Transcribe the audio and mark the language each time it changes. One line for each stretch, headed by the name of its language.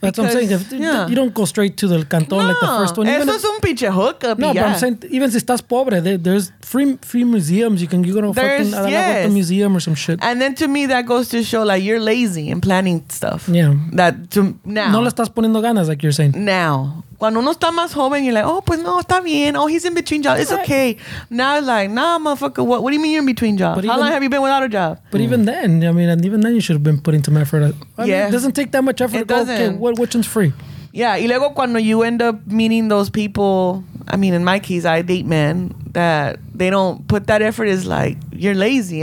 English: That's because, what I'm saying. You don't go straight to the cantón like the first one.
Spanish: Eso es un pinche hookup.
English: No, but I'm saying, even
Spanish: si estás pobre,
English: there's free museums. You can go to a museum or some shit. And then to me, that goes to show like you're lazy and planning stuff. Yeah. That to now.
Spanish: No le estás poniendo ganas,
English: like you're saying. Now.
Spanish: Cuando uno está más joven,
English: you're like, oh,
Spanish: pues no, está bien.
English: Oh, he's in between jobs. It's okay. Now it's like, nah, motherfucker, what do you mean you're in between jobs? How long have you been without a job? But even then, you should have been putting some effort. I mean, it doesn't take that much effort. Which one's free? Yeah,
Spanish: y luego cuando
English: you end up meeting those people, I mean, in my case, I date men, that they don't put that effort, is like, you're lazy.